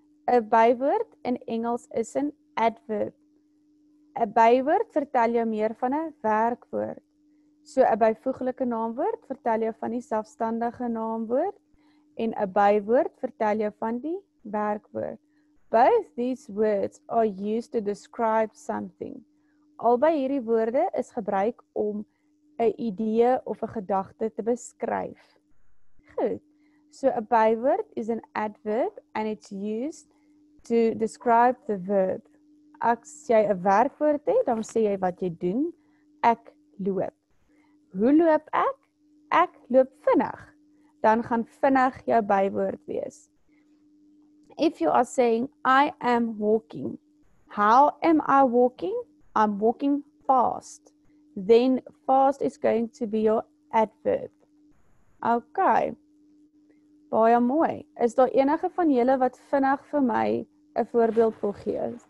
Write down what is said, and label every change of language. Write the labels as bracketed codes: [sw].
[af] 'N bywoord in Engels is 'n adverb. 'N bywoord vertel jou meer van 'n werkwoord. So 'n byvoeglike naamwoord vertel jou van die selfstandige naamwoord en 'n bywoord vertel jou van die werkwoord. [en] Both these words are used to describe something. [af] Albei hierdie woorde is gebruik om 'n idee of 'n gedagte te beskryf. Goed. [en] So a byword is an adverb and it's used to describe the verb. [af] As jy 'n werkwoord het, dan sê jy wat jy doen. Ek loop. Hoe loop ek? Ek loop vinnig. Dan gaan vinnig jou byword wees. [en] If you are saying I am walking. How am I walking? I'm walking fast. Then fast is going to be your adverb. [af] Okay. Baie mooi. Is daar enige van julle wat vinnig vir my 'n voorbeeld wil gee?